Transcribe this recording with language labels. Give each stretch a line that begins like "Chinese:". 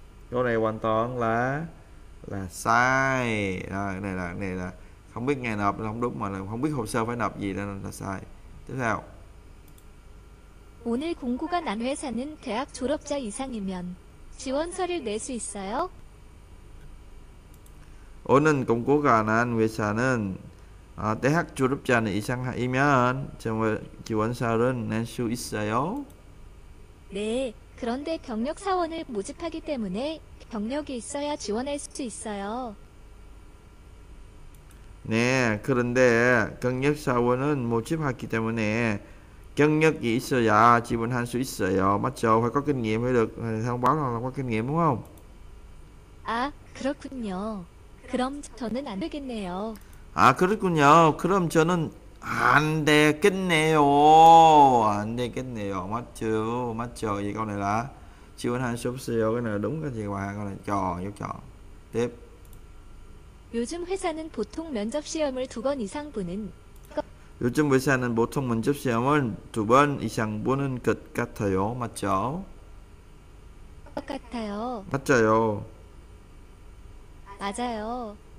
Vietnamese: Câu này hoàn toàn là sai. Rồi, này là không biết ngày nộp là không đúng mà là không biết hồ sơ phải nộp gì nên là sai. Tiếp theo.
Korean: 오늘 공고가 난 회사는 대학 졸업자 이상이면 지원 서류 낼수 있어요? 오늘 공고가 난 회사는 대학 졸업자는 이상이면 지원서는 낼수 있어요. 네, 그런데 경력 사원을 모집하기 때문에 경력이 있어야 지원할 수 있어요. 네, 그런데 경력 사원은 모집하기 때문에 경력이 있어야 지원할 수 있어요. 맞죠?
Vietnamese: Phải có kinh nghiệm mới được thông báo là có kinh nghiệm đúng không?
Korean: 아, 그렇군요. 그럼 저는 안 되겠네요. 아, 그렇군요. 그럼 저는 안 되겠네요. 안 되겠네요. 맞죠? 맞죠? 이거
Vietnamese: này là
Korean: 지원할 수 없어요. 이거
Vietnamese: này là đúng cái gì qua? 이거 này chọn, 이거 chọn. Tiếp.
Korean: 요즘 회사는 보통 면접 시험을 두번 이상 보는 요즘 회사는 보통 면접 시험을 두번 이상 보는 것 같아요. 맞죠? 것 같아요. 맞아요. 맞아요.